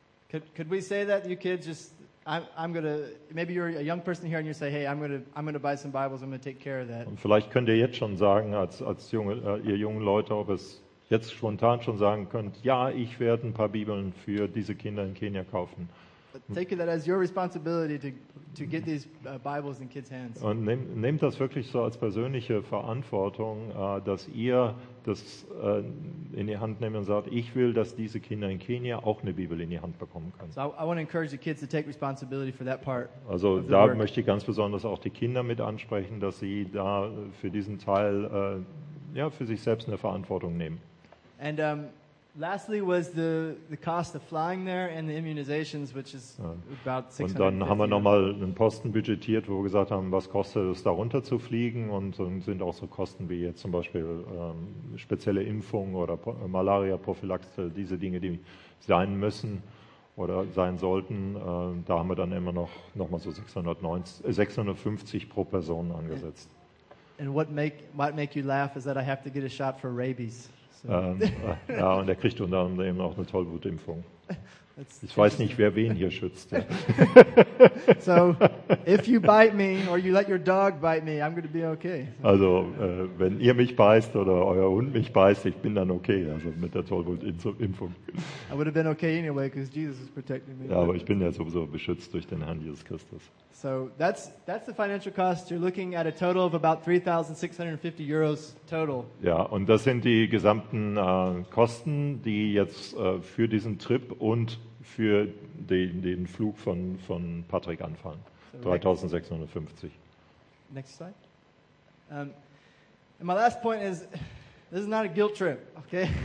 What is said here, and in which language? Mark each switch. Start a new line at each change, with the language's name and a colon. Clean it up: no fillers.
English: Could we say that, you kids, just I'm gonna, maybe you're a young person here and you say, hey, I'm gonna buy some Bibles, I'm gonna take care of that.
German: Und vielleicht könnt ihr jetzt schon sagen, als junge Leute, ob es jetzt spontan schon sagen könnt, ja, ich werde ein paar Bibeln für diese Kinder in Kenia kaufen.
English: Take that as your responsibility to get these Bibles in kids' hands.
German: Und nehmt das wirklich so als persönliche Verantwortung, dass ihr das in die Hand nehmt und sagt, ich will, dass diese Kinder in Kenia auch eine Bibel in die Hand bekommen können.
English: So I want to encourage the kids to take responsibility for that part.
German: Also da möchte ich ganz besonders auch die Kinder mit ansprechen, dass sie da für diesen Teil für sich selbst eine Verantwortung nehmen.
English: And lastly was the cost of flying there and the immunizations, which is about 600.
German: Und dann haben wir nochmal einen Posten budgetiert, wo wir gesagt haben, was kostet es, darunter zu fliegen, und sind auch so Kosten wie jetzt zum Beispiel spezielle Impfungen oder Malaria-Prophylaxe, diese Dinge, die sein müssen oder sein sollten. Da haben wir dann immer nochmal so 650 pro Person angesetzt.
English: And what might make you laugh is that I have to get a shot for rabies. So.
German: Ja, und er kriegt unter anderem auch eine Tollwutimpfung. Ich weiß nicht, wer wen hier schützt.
English: So, if you bite me or you let your dog bite me, I'm going to be okay.
German: Also, wenn ihr mich beißt oder euer Hund mich beißt, ich bin dann okay, also mit der Tollwutimpfung.
English: I would have been okay anyway, because Jesus is protecting me.
German: Ja, aber ich bin ja sowieso beschützt durch den Herrn Jesus Christus.
English: So, that's the financial cost. You're looking at a total of about 3,650 euros total.
German: Ja, und das sind die gesamten Kosten, die jetzt für diesen Trip und für den Flug von Patrick anfallen.
English: 3,650. Next slide. And my last point is, this is not a guilt trip, okay?